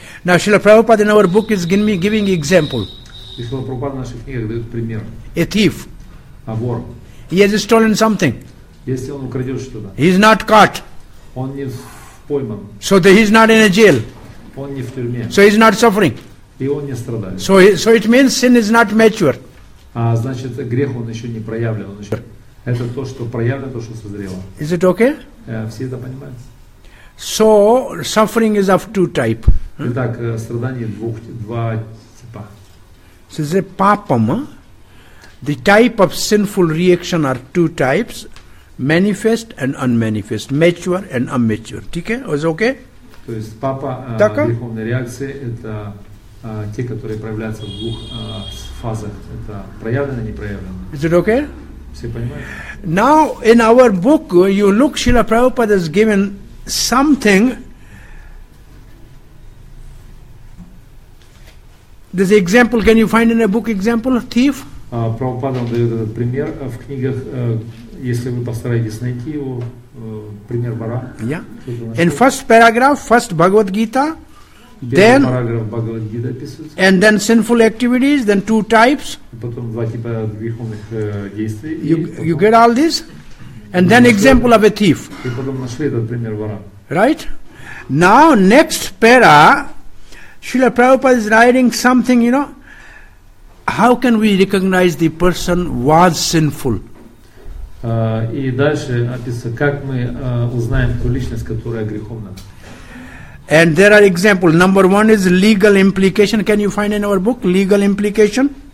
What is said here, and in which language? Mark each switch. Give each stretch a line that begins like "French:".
English: Now Srila Prabhupada in our book is giving example.
Russian: Srila Prabhupada в наших книгах дает пример.
English: A thief.
Russian: A vor.
English: He has stolen something.
Russian: Если он украдет что-то.
English: He is not caught.
Russian: Он не пойман.
English: So he is not in a jail.
Russian: Он не в тюрьме.
English: So he is not suffering.
Russian: И он не страдает.
English: So it means sin is not mature.
Russian: А значит грех он еще не проявлен. Он еще... Это то, что проявлено, то, что созрело.
English: Is it okay?
Russian: Все это понимают.
English: So suffering is of two type.
Russian: Итак, страдание два типа.
English: So the papam, the type of sinful reaction are two types, manifest and unmanifest, mature and immature. Okay? Was okay?
Russian: То есть папа греховная реакция это те, которые проявляются в двух фазах. Это проявлено, не проявлено.
English: Is it okay? Now in our book, you look, Srila Prabhupada has given something. This example, can you find in a book example of thief?
Russian: Prabhupada он дает этот пример в книгах, если вы постараетесь найти его, пример вора.
English: Yeah. In first paragraph, first Bhagavad Gita, then
Russian: paragraph Bhagavad Gita описывается.
English: And then sinful activities, then two types.
Russian: Потом два типа греховных действий.
English: You get all this? And then example of a thief.
Russian: И потом нашли этот пример вора.
English: Right? Now, next para, Srila Prabhupada is writing something, you know. How can we recognize the person was sinful?
Russian: И дальше описывается, как мы узнаем ту личность, которая греховна.
English: And there are examples. Number one is legal implication. Can you find in our book legal implication?